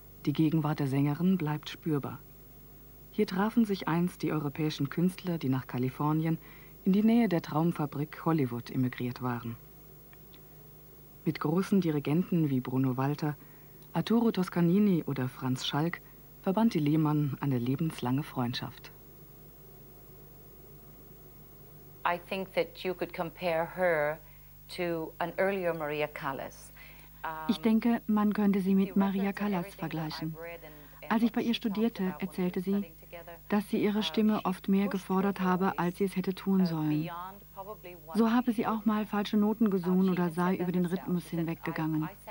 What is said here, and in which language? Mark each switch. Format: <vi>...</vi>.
<de>Die Gegenwart der Sängerin bleibt spürbar. Hier trafen sich einst die europäischen Künstler, die nach Kalifornien in die Nähe der Traumfabrik Hollywood emigriert waren. Mit großen Dirigenten wie Bruno Walter, Arturo Toscanini oder Franz Schalk verband die Lehmann eine lebenslange Freundschaft.</de> <en>I think that you could compare her to an earlier Maria Callas.</en> <de>Ich denke, man könnte sie mit Maria Callas vergleichen. Als ich bei ihr studierte, erzählte sie, dass sie ihre Stimme oft mehr gefordert habe, als sie es hätte tun sollen. So habe sie auch mal falsche Noten gesungen oder sei über den Rhythmus hinweggegangen.</de>